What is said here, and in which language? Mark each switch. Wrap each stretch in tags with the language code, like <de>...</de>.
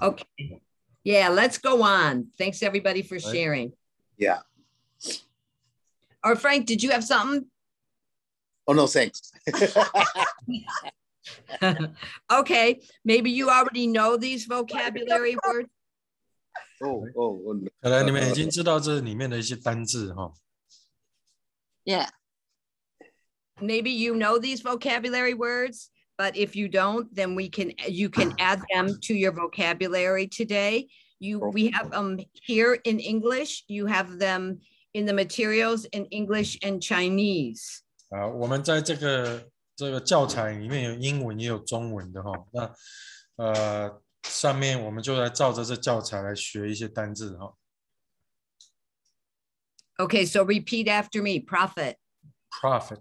<en>Okay. Yeah, let's go on. Thanks everybody for sharing. Yeah. Or Frank, did you have something? Oh, no, thanks. Okay, maybe you already know these vocabulary words. Oh,</en> <zh>可能你们已经知道这里面的一些单字哈。</zh> <en>Yeah. Maybe you know these vocabulary words, but if you don't, then you can add them to your vocabulary today. We have them here in English. You have them in the materials in English and Chinese.</en> <zh>好，我们在这个教材里面有英文也有中文的哈。那上面我们就来照着这教材来学一些单字哈。</zh> <en>Okay, so repeat after me, prophet. Prophet.</en>